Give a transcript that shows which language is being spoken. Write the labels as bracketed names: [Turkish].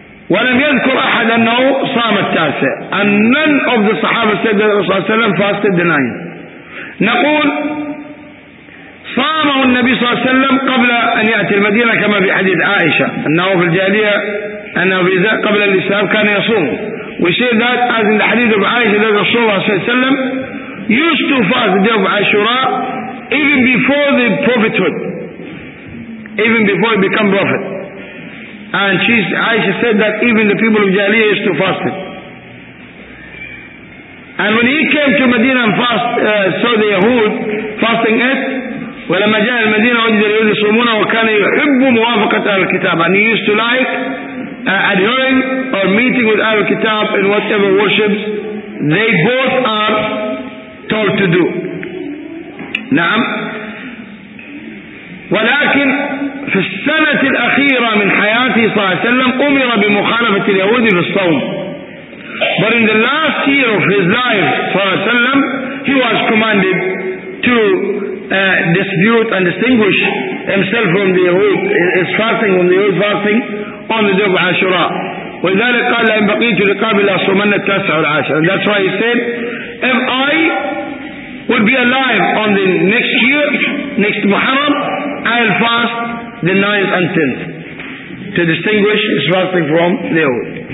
[Arabic] ولم يذكر أحد أنه صام التاسع. [English] And none of the Sahaba said that Rasulullah Sallallahu Alaihi Wasallam fasted the 9th. [Arabic] نقول صامه النبي صلى الله عليه وسلم قبل أن يأتي المدينة كما في حديث عائشة أنه في الجاهلية أنه قبل الإسلام كان يصوم. [English] We say that as in the حديث of عائشة that [Arabic] رسول الله صلى الله عليه وسلم [English] used to fast the day of Ashura even before the prophethood, even before he became prophet. And Aisha said that even the people of Jahiliyyah used to fast it. And when he came to Medina and saw the Yahud fasting it, [Arabic] ولما جاء المدينة وجد اليهود يصومون وكان يحب موافقة أهل الكتاب. [English] And he used to like adhering or meeting with Ahlul Kitab in whatever worships they both are told to do. [Arabic] نعم. ولكن في السنة الأخيرة من حياته صلى الله عليه وسلم أمر بمخالفة اليهود في الصوم. [English] But in the last year of his life, [Arabic] صلى الله عليه وسلم, [English] he was commanded to dispute and distinguish himself from the Yahud, his fasting from the Yahud fasting on the day of Ashura. [Arabic] ولذلك قال لئن بقيت رقاب لا صومن التاسع والعاشر. [English] And that's why he said, if I would be alive on the next year, next Muharram, I'll fast the 9th and 10th to distinguish his fasting from the Yahud.